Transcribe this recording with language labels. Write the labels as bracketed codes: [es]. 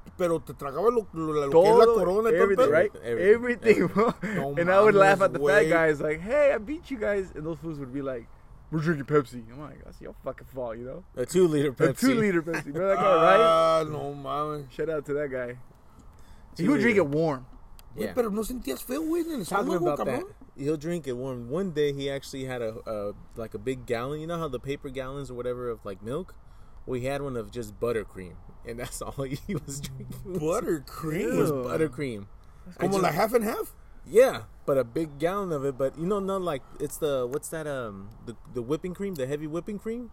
[es] Pero te tragaba lo que es la corona. [en] Everything, right? Everything, bro. No, and I would laugh at the fat guys, like, hey, I beat you guys. And those fools would be like, we're drinking Pepsi. I'm like, that's your fucking fault, you know? A 2 liter Pepsi. A 2 liter Pepsi. Remember that guy, right? [es] No, mames. [en] Shout out to that guy. He would drink it warm. Yeah. [es] Pero no sentías feo, güey, en el estómago, cabrón. [en] He'll drink it warm. One day, he actually had a big gallon. You know how the paper gallons or whatever of, like, milk? We had one of just buttercream. And that's all he was drinking. Buttercream? It was buttercream. [es] Como la half and half? [en] Yeah. But a big gallon of it. But, you know, not like, it's the, what's that, the whipping cream? The heavy whipping cream?